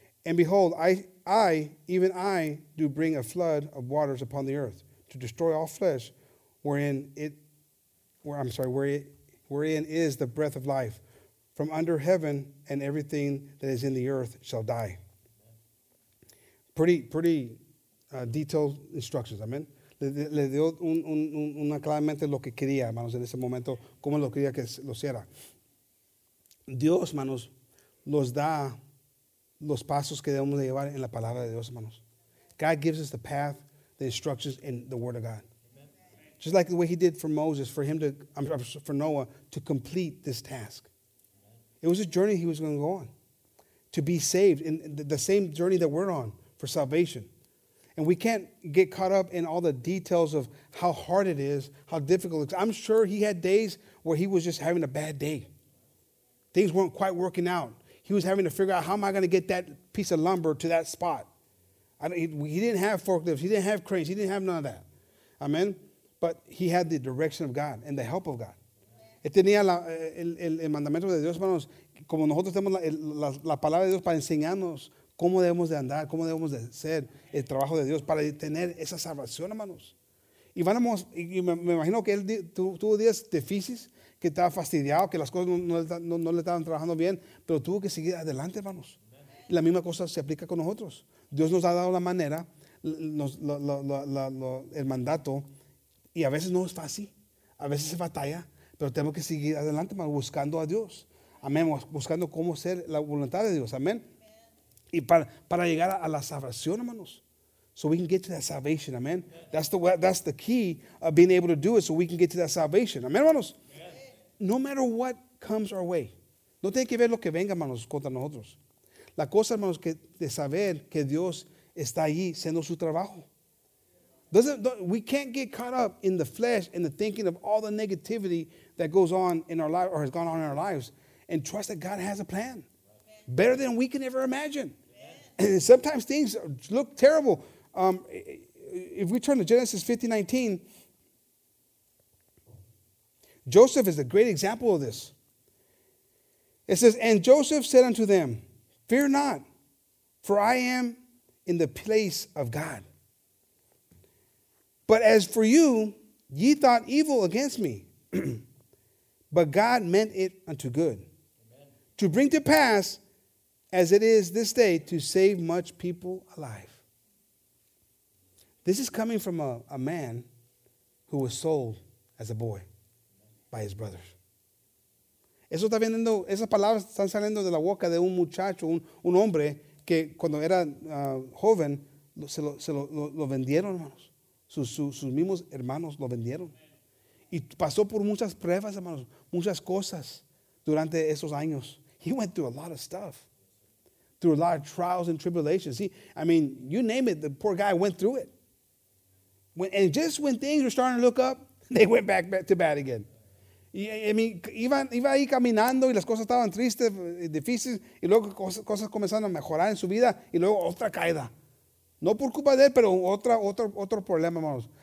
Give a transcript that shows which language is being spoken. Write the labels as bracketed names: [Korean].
[English] And behold, I do bring a flood of waters upon the earth to destroy all flesh, wherein is the breath of life from under heaven, and everything that is in the earth shall die. Pretty detailed instructions. Amen. [Spanish] Le dio una claramente lo que quería, hermanos, en ese momento, cómo lo quería que lo hiciera. Dios, hermanos, nos da los pasos que debemos de llevar en la palabra de Dios, hermanos. [English] God gives us the path, the instructions in the Word of God. Amen. Just like the way He did for Moses, for Noah to complete this task. It was a journey he was going to go on to be saved, in the same journey that we're on for salvation. And we can't get caught up in all the details of how hard it is, how difficult it is. I'm sure he had days where he was just having a bad day. Things weren't quite working out. He was having to figure out, how am I going to get that piece of lumber to that spot? He didn't have forklifts. He didn't have cranes. He didn't have none of that. Amen? But he had the direction of God and the help of God. [Spanish] Tenía el mandamiento de Dios, hermanos, como nosotros tenemos la palabra de Dios para enseñarnos cómo debemos de andar, cómo debemos de ser el trabajo de Dios para tener esa salvación, hermanos. Y vamos, y me imagino que él tuvo días difíciles, que estaba fastidiado, que las cosas no le estaban trabajando bien, pero tuvo que seguir adelante, hermanos. La misma cosa se aplica con nosotros. Dios nos ha dado la manera, el mandato, y a veces no es fácil, a veces se batalla, pero tenemos que seguir adelante, hermano, buscando a Dios. Amén. Buscando cómo ser la voluntad de Dios. Amén. Y para llegar a la salvación, hermanos. [English] So we can get to that salvation. Amén. That's the key of being able to do it so we can get to that salvation. [Spanish] Amén, hermanos. [English] Amen. No matter what comes our way. [Spanish] No tiene que ver lo que venga, hermanos, contra nosotros. La cosa, hermanos, que de saber que Dios está allí haciendo su trabajo. [English] We can't get caught up in the flesh and the thinking of all the negativity that goes on in our life or has gone on in our lives and trust that God has a plan better than we can ever imagine. And sometimes things look terrible. If we turn to Genesis 50:19, Joseph is a great example of this. It says, "And Joseph said unto them, Fear not, for I am in the place of God. But as for you, ye thought evil against me, but God meant it unto good, amen, to bring to pass, as it is this day, to save much people alive." This is coming from a man who was sold as a boy by his brothers. [Spanish] Eso está viniendo, esas palabras están saliendo de la boca de un muchacho, un hombre que cuando era joven se lo vendieron, hermanos. Sus mismos hermanos lo vendieron. Y pasó por muchas pruebas, hermanos, muchas cosas durante esos años. [English] He went through a lot of stuff. Through a lot of trials and tribulations. See, I mean, you name it, the poor guy went through it. And just when things were starting to look up, they went back to bad again. I mean, [Spanish] iba ahí caminando y las cosas estaban tristes, difíciles, y luego cosas comenzaron a mejorar en su vida, y luego otra caída. No por culpa de él, pero otro problema, hermanos.